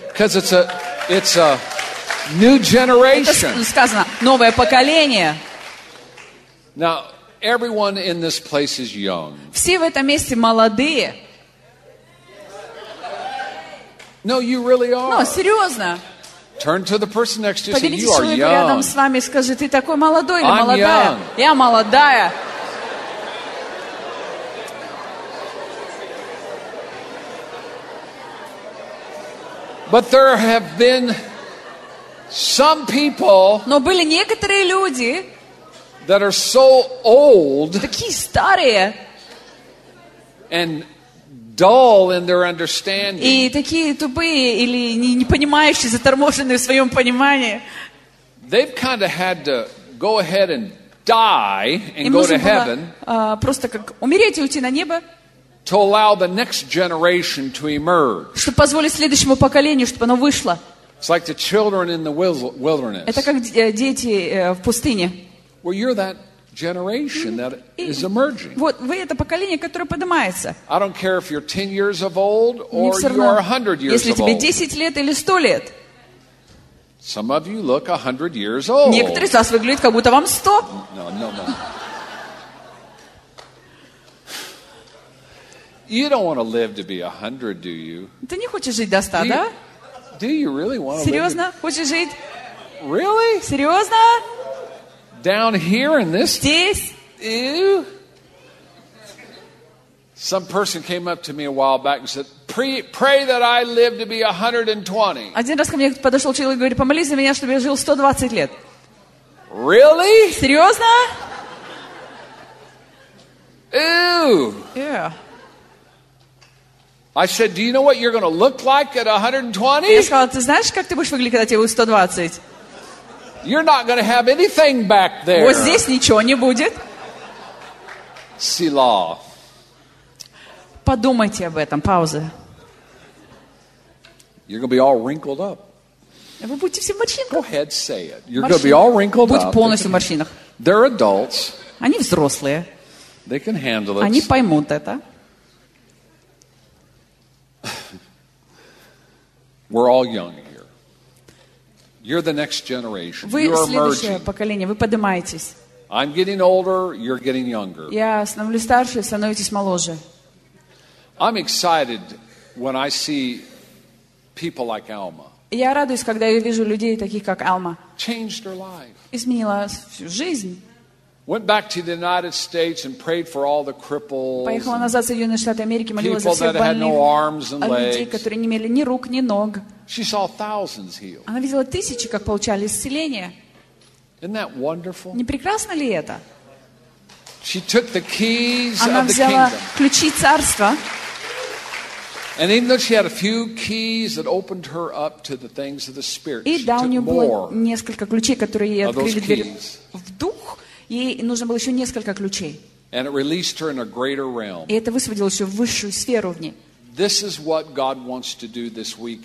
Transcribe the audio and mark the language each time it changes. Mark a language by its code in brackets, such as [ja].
[en] Because it's a new generation. [ru] Это сказано, новое поколение. [en] Now everyone in this place is young. [ru] Все в этом месте молодые. [en] No, you really are. [ru] No, серьезно. [en] Turn to the person next to you. [ru] Поверните, [en] say, you are young. [ru] Поверните человеку рядом с вами и скажи, ты такой молодой или [en] I'm [ru] молодая. [en] Young. [ru] Я молодая. [en] But there have been some people. [ru] Но были некоторые люди. [en] that are so old, [ru] такие старые, [en] and dull in their understanding, [ru] и такие тупые или не понимающие, заторможенные в своем понимании, [en] they've kind of had to go ahead and die and go to heaven, [ru] просто как умереть и уйти на небо, [en] to allow the next generation to emerge, [ru] чтобы позволить следующему поколению, чтобы оно вышло. [en] It's like the children in the wilderness. [ru] Это как дети в пустыне. [en] Well, you're that generation that is emerging. [ru] Вот вы это поколение, которое поднимается. [en] I don't care if you're 10 years of old or you are 100 years old. [ru] Если тебе 10 лет или 100 лет. [en] Some of you look 100 years old. Некоторые из вас выглядят, как будто вам 100. No. You don't want to live to be 100, do you? [ru] Ты не хочешь жить до 100, да? [en] Do you really want to [ru] Серьезно? [en] Live? [ru] Хочешь жить? [en] Really? [ru] Серьезно? [en] Down here in this? [ru] Здесь? Ew. [en] Some person came up to me a while back and said, pray that I live to be 120. [ru] Один раз ко мне подошел человек и говорит, помолись за меня, чтобы я жил 120 лет. [en] Really? [ru] Серьезно? Ew. [en] Yeah. I said, do you know what you're going to look like at 120? [ru] Я сказал, ты знаешь, как ты будешь выглядеть, когда тебе будет 120? [en] You're not going to have anything back there. [ru] Вот здесь ничего не будет. Сила. Подумайте об этом. Пауза. [en] You're going to be all wrinkled up. [ru] Вы будете все в морщинках. [en] Go ahead, say it. You're going to be all wrinkled [ru] Будь [en] up. [ru] Полностью в морщинах. [en] They're adults. [ru] Они взрослые. [en] They can handle it. [ru] Они поймут это. [en] We're all young here. You're the next generation. [ru] Вы [en] You're [ru] следующее [en] emerging. [ru] Поколение. Вы поднимаетесь. [en] I'm getting older. You're getting younger. [ru] Я становлюсь старше, становитесь моложе. [en] I'm excited when I see people like Alma. [ru] Я радуюсь, когда я вижу людей таких как Alma. [en] Changed her life. [ru] Изменила всю жизнь. [en] Went back to the United States and prayed for all the cripples. [ru] Поехала назад в Соединенные Штаты Америки, молилась за всех больных. [en] People that had no arms and legs. [ru] Людей, которые не имели ни рук, ни ног. [en] She saw thousands healed. [ru] Она видела тысячи, как получали исцеление. [en] Isn't that wonderful? [ru] Не прекрасно ли это? [en] She took the keys of the kingdom. [ru] Она взяла ключи царства. [en] And even though she had a few keys that opened her up to the things of the spirit, she took more. [ru] И да, у нее было несколько ключей, которые ей открыли дверь в дух. Ей нужно было еще несколько ключей. [en] And it released her in a greater realm. [ru] И это высвободило еще в высшую сферу в ней. [en] This is what God wants to do this weekend.